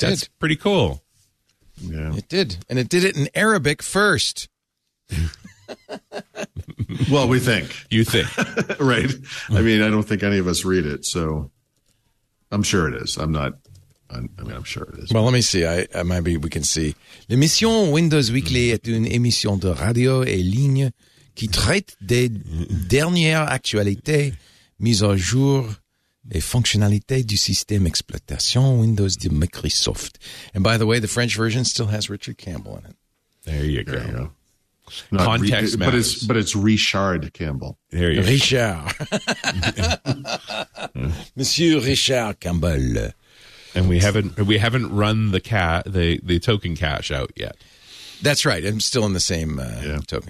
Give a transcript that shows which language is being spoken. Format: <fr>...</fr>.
<en>That's pretty cool. Yeah. It did. And it did it in Arabic first. Well, we think. You think. Right. I mean, I don't think any of us read it, so I'm sure it is. I'm sure it is. Well, let me see. Maybe we can see.</en> <fr>L'émission Windows Weekly est une émission de radio en ligne qui traite des dernières actualités, mises à jour et fonctionnalités du système exploitation Windows de Microsoft.</fr> <en>And by the way, the French version still has Richard Campbell in it. There you go. Not context matters. But it's Richard Campbell. There you go. Richard. Monsieur Richard Campbell. And we haven't run the token cash out yet. That's right. I'm still in the same token.</en>